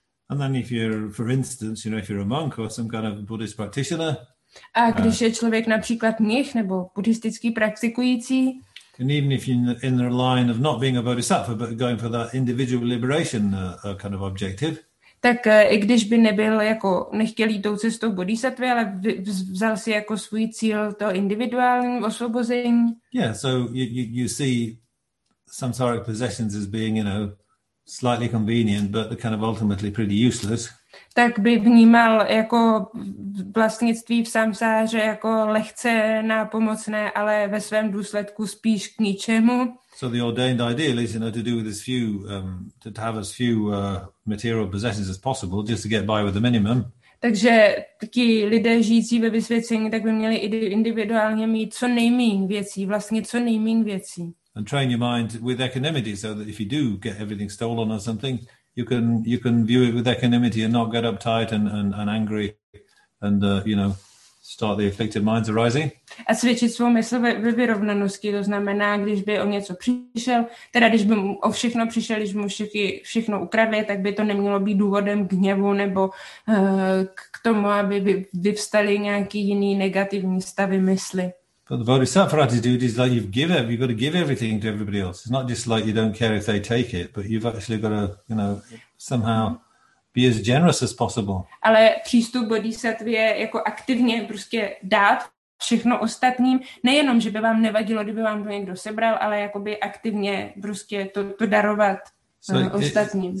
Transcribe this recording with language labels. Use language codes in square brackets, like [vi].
[en] And then if you're, for instance, you know, if you're a monk or some kind of Buddhist practitioner. [cs] A když je člověk například mnich nebo buddhistický praktikující. [en] And even if you're in the line of not being a bodhisattva, but going for that individual liberation kind of objective. [cs] Tak i když by nebyl jako nechtěl jít tou cestou bodhisattva, ale vzal si jako svůj cíl to individuální osvobození. [en] Yeah, so you see samsaric possessions as being, you know, slightly convenient, but kind of ultimately pretty useless. [cs] Tak by vnímal jako vlastnictví v samsáře jako lehce nápomocné, ale ve svém důsledku spíš k ničemu. [en] So the ordained ideal is, you know, to do with as few, to have as few material possessions as possible, just to get by with the minimum. [cs] Takže ti lidé žijící ve vysvěcení, tak by měli individuálně mít co nejmín věcí, vlastně co nejmín věcí. [en] And train your mind with equanimity so that if you do get everything stolen or something, you can view it with equanimity and not get uptight and angry and you know, start the afflictive minds arising. [cs] A cvičit svou mysl ve vyrovnanosti, to znamená, když by o něco přišel, teda když by o všechno přišel, když mu všechno ukradli, tak by to nemělo být důvodem k hněvu nebo k tomu, aby vyvstaly nějaký jiný negativní stavy mysli. [en] But the bodhisattva attitude is like you've got to give everything to everybody else. It's not just like you don't care if they take it, but you've actually got to, you know, somehow be as generous as possible. [cs] Ale přístup bodhisattva je jako aktivně prostě dát všechno ostatním, nejenom, že by vám nevadilo, kdyby vám to někdo sebral, ale jakoby aktivně prostě to darovat ostatním.